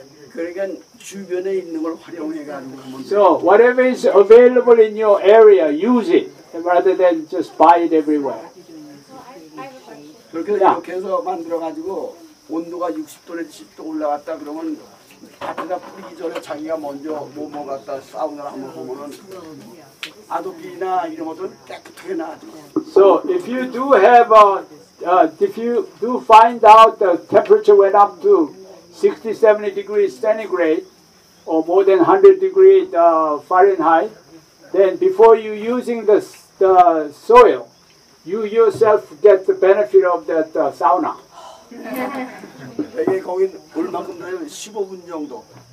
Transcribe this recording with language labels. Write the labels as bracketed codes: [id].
[ko] 그러니까 주변에 있는 걸 활용해가지고. [en] So whatever is available in your area, use it rather than just buy it everywhere. [ko] 그렇게 해서 만들어가지고 온도가 60도에서 70도 올라갔다 그러면 밭에다 뿌리기 전에 자기가 먼저 뭐뭐 갖다 사우나를 한번 보면은 아도피나 이런 것들 깨끗하게 나죠. [en] So if you do have if you do find out the temperature went up to 60, 70 degrees centigrade or more than 100 degrees Fahrenheit, then before you using the soil, you yourself get the benefit of that sauna. [ko] 이게 거기 얼마큼 되냐면 15분 정도.